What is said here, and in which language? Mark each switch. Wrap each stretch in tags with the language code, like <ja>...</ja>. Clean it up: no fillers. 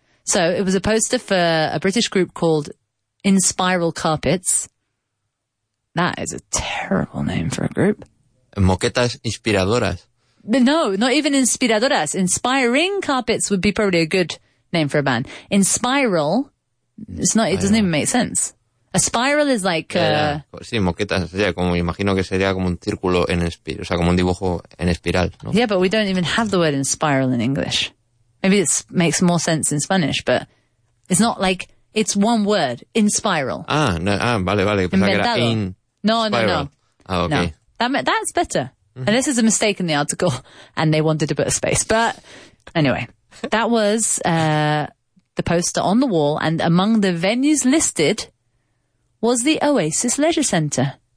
<en>So it was a poster for a British group called In Spiral Carpets. That is a terrible name for a group.</en> <es>Moquetas Inspiradoras.</es> <en>But no, not even Inspiradoras. Inspiring Carpets would be probably a good name for a band. In Spiral, it's not. It doesn't even make sense. A spiral is like</en> <es>sí, moquetas, yeah, como imagino que sería como un círculo en espiral, o sea, como un dibujo en espiral, ¿no?</es> <en>Yeah, but we don't even have the word in spiral in English. Maybe it makes more sense in Spanish, but it's not like it's one word, in spiral.</en> <es>Vale, pensaba que era in no.</es> <en>Ah, okay. No. That's better. Mm-hmm. And this is a mistake in the article and they wanted to put a space, but anyway, that was the poster on the wall, and among the venues listed was the Oasis Leisure Centre.</en>